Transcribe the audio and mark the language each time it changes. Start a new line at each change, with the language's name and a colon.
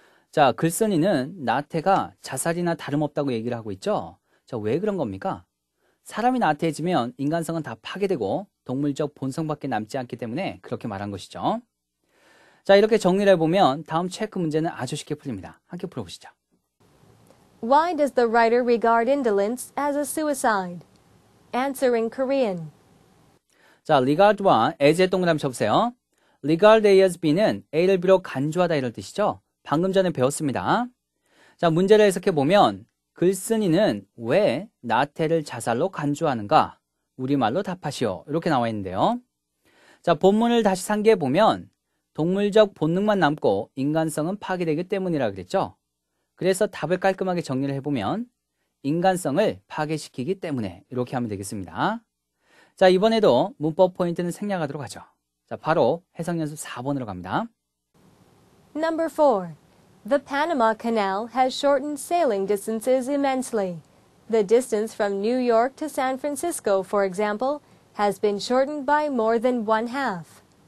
Korean: 자, 글쓴이는 나태가 자살이나 다름없다고 얘기를 하고 있죠. 자, 왜 그런 겁니까? 사람이 나태해지면 인간성은 다 파괴되고 동물적 본성밖에 남지 않기 때문에 그렇게 말한 것이죠. 자, 이렇게 정리를 해보면 다음 체크 문제는 아주 쉽게 풀립니다. 함께 풀어보시죠.
English: Why does the writer regard indolence as a suicide? Answer in Korean.
Korean: 자, regard와 as의 동그라미 쳐보세요. regard A as B는 A를 비록 간주하다 이럴 뜻이죠. 방금 전에 배웠습니다. 자, 문제를 해석해보면 글쓴이는 왜 나태를 자살로 간주하는가? 우리말로 답하시오. 이렇게 나와 있는데요. 자, 본문을 다시 상기해보면 동물적 본능만 남고 인간성은 파괴되기 때문이라고 그랬죠. 그래서 답을 깔끔하게 정리를 해보면 인간성을 파괴시키기 때문에 이렇게 하면 되겠습니다. 자, 이번에도 문법 포인트는 생략하도록 하죠. 자, 바로 해석연습 4번으로 갑니다.
English: Number 4. The Panama Canal has shortened sailing distances immensely. The distance from New York to San Francisco, for example, has been shortened by more than one half.